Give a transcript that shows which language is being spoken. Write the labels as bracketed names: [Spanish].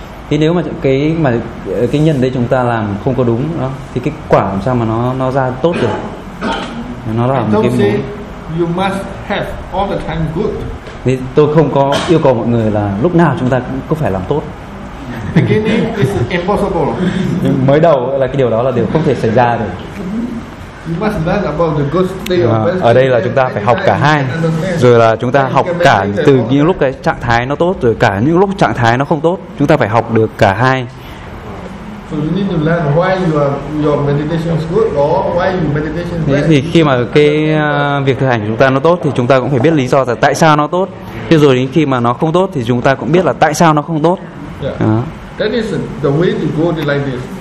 [Vietnamese] Thì nếu mà cái nhân đấy chúng ta làm không có đúng đó, thì cái quả làm sao mà nó ra tốt được? Nó là một cái mối. Thì tôi không có yêu cầu mọi người là lúc nào chúng ta cũng phải làm tốt. [English] Beginning is impossible. [Vietnamese] Mới đầu là cái điều đó là điều không thể xảy ra được. [English] You must learn about the good state of [Vietnamese] ở đây là chúng ta phải học cả hai. Rồi là chúng ta học cả từ những lúc cái trạng thái nó tốt, rồi cả những lúc trạng thái nó không tốt. Chúng ta phải học được cả hai. [English] So you need to learn why your meditation is good or why your meditation is bad. [Vietnamese] Thì khi mà cái việc thực hành của chúng ta nó tốt thì chúng ta cũng phải biết lý do là tại sao nó tốt. Thế rồi đến khi mà nó không tốt thì chúng ta cũng biết là tại sao nó không tốt. [English] Yeah. That is the way to go like this.